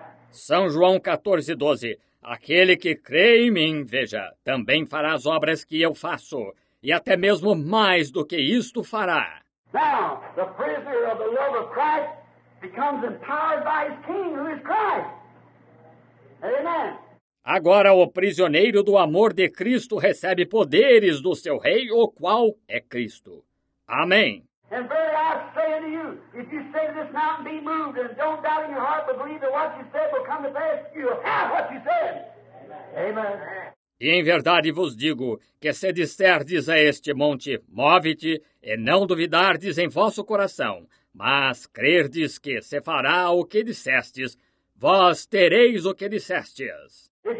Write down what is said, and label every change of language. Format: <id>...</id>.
<pt>São João 14, 12. Aquele que crê em mim, veja, também fará as obras que eu faço. E até mesmo mais do que isto fará.</pt> <en>Now, the prisoner of the love of Christ becomes empowered by his king, who is Christ. Amen.</en> <pt>Agora o prisioneiro do amor de Cristo recebe poderes do seu rei, o qual é Cristo. Amém.</pt> <en>And verily I say unto you, if you say to this mountain, be moved, and don't doubt in your heart, but believe that what you said will come to pass, you have what you said. Amen. Amen.</en> <pt>E em verdade vos digo, que se disserdes a este monte, move-te, e não duvidardes em vosso coração, mas crerdes que se fará o que dissestes, vós tereis o que dissestes.</pt>